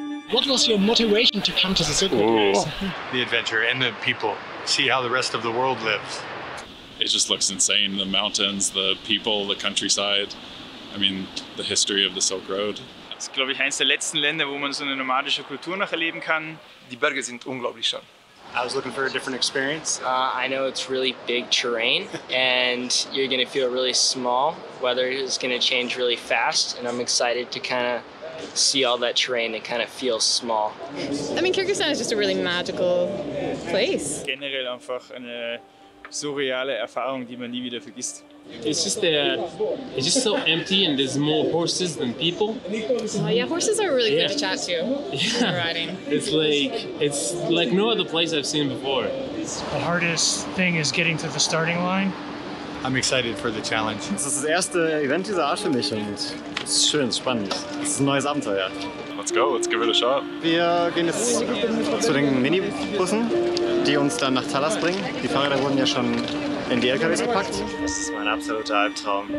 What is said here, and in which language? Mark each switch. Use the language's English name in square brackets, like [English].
[English] What was your motivation to come to the city? The adventure and the people. See how the rest of the world lives. It just looks insane. The mountains, the people, the countryside. I mean, the history of the Silk Road. [German] Das ist, glaube ich, eines der letzten Länder, wo man so eine nomadische Kultur noch erleben kann. Die Berge sind unglaublich schön. [English] I was looking for a different experience. I know it's really big terrain and you're going to feel really small. Weather is going to change really fast and I'm excited to kind of see all that terrain and kind of feel small. I mean, Kyrgyzstan is just a really magical place. [German] Generell einfach eine surreale Erfahrung, die man nie wieder vergisst. [English] It's just it's just so empty and there's more horses than people. Oh yeah, horses are really good to chat to. Yeah. Riding. It's like no other place I've seen before. The hardest thing is getting to the starting line. I'm excited for the challenge. [German] Das ist das erste Event dieser Art für mich und es ist schön, spannend. Es ist ein neues Abenteuer. [English] Let's go, let's give it a shot. [German] Wir gehen jetzt zu den Minibussen, die uns dann nach Talas bringen. Die Fahrräder wurden ja schon in die LKWs gepackt. Das ist mein absoluter Albtraum.